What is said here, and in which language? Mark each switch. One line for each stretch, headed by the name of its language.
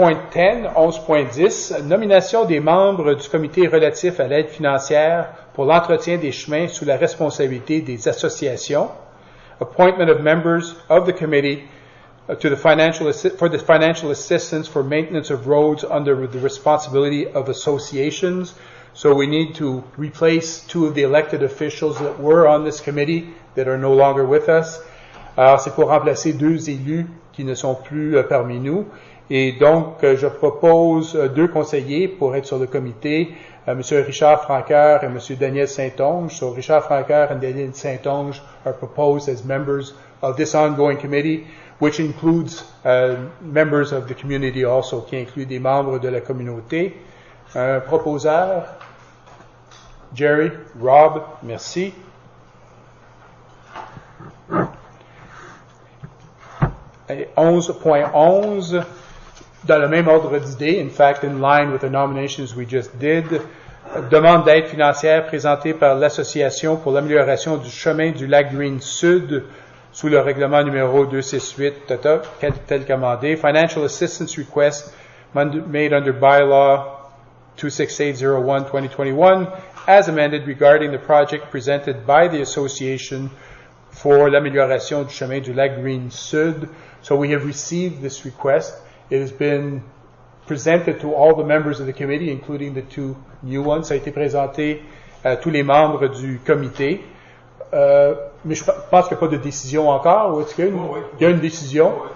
French: 11.10, nomination des membres du comité relatif à l'aide financière pour l'entretien des chemins sous la responsabilité des associations.
English: Appointment of members of the committee to the financial for the financial assistance for maintenance of roads under the responsibility of associations. So we need to replace two of the elected officials that were on this committee that are no longer with us.
French: C'est pour remplacer deux élus qui ne sont plus parmi nous. Et donc, je propose deux conseillers pour être sur le comité, M. Richard Francoeur et M. Daniel Saint-Onge.
English: So, Richard Francoeur and Daniel Saint-Onge are proposed as members of this ongoing committee, which includes members of the community also,
French: qui inclut des membres de la communauté. Un proposeur, Jerry, Rob, merci. Et 11.11, dans le même ordre d'idée,
English: in fact, in line with the nominations we just did,
French: demande d'aide financière présentée par l'Association pour l'amélioration du chemin du lac Green Sud sous le règlement numéro 268, tel commandé.
English: Financial assistance request made under bylaw 26801-2021 as amended regarding the project presented by the Association for l'amélioration du chemin du lac Green Sud. So we have received this request. It has been presented to all the members of the committee, including the two new ones.
French: Ça a été présenté à tous les membres du comité. Mais je pense qu'il n'y a pas de décision encore. Ou est-ce qu'il y a une, il y a une décision?